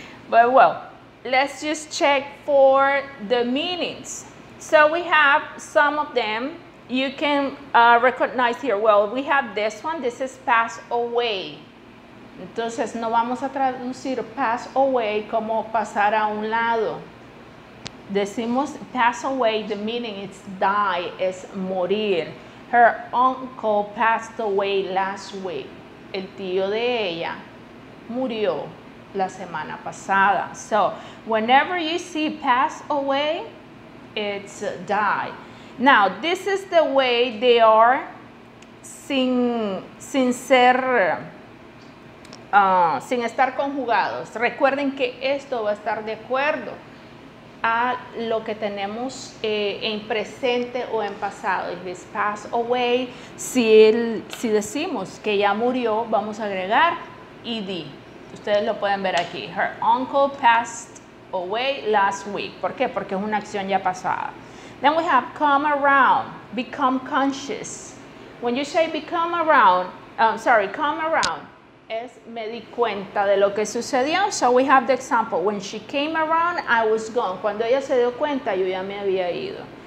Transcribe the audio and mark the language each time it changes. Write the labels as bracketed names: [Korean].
[English] But well, let's just check for the meanings. So we have some of them you can recognize here. Well, we have this one, this is pass away. [Spanish] Entonces no vamos a traducir pass away como pasar a un lado. [English] Decimos pass away, the meaning is die, [Spanish] es morir. [English] Her uncle passed away last week. [Spanish] El tío de ella murió la semana pasada. [English] So, whenever you see pass away, it's die. Now, this is the way they are [Spanish] sin estar conjugados. Recuerden que esto va a estar de acuerdo a lo que tenemos en presente o en pasado. [English] If it's passed away, [Spanish] si decimos que ya murió, vamos a agregar ed. Ustedes lo pueden ver aquí. [English] Her uncle passed away last week. [Spanish] ¿Por qué? Porque es una acción ya pasada. [English] Then we have come around, become conscious. When you say become around, come around, [Spanish] es me di cuenta de lo que sucedió. [English] So we have the example. When she came around, I was gone. [Spanish] Cuando ella se dio cuenta, yo ya me había ido.